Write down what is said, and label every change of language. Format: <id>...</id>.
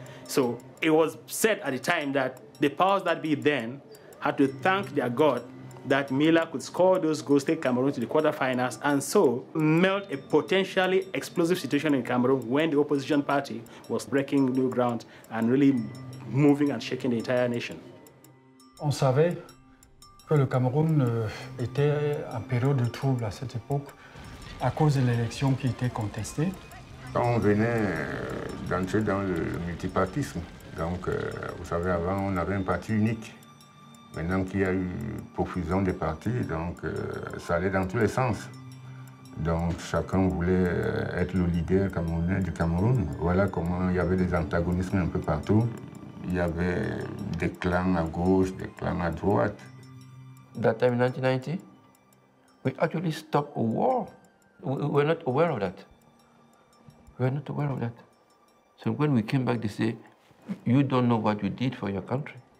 <en>So it was said at the time that the powers that be then had to thank their God that Miller could score those goals, take Cameroon to the quarterfinals, and so melt a potentially explosive situation in Cameroon when the opposition party was breaking new ground and really moving and shaking the entire nation.</en> <fr>On savait que le Cameroun était en période de trouble à cette époque à cause de l'élection qui était contestée. On venait d'entrer dans le multipartisme. Donc, vous savez, avant, on avait un parti unique. Maintenant qu'il y a eu profusion de partis, donc ça allait dans tous les sens. Donc, chacun voulait être le leader camerounais du Cameroun. Voilà comment il y avait des antagonismes un peu partout. Il y avait des clans à gauche, des clans à droite.</fr> <en>That time in 1990, we actually stopped a war. We were not aware of that. We were not aware of that. So when we came back, they say, you don't know what you did for your country.</en>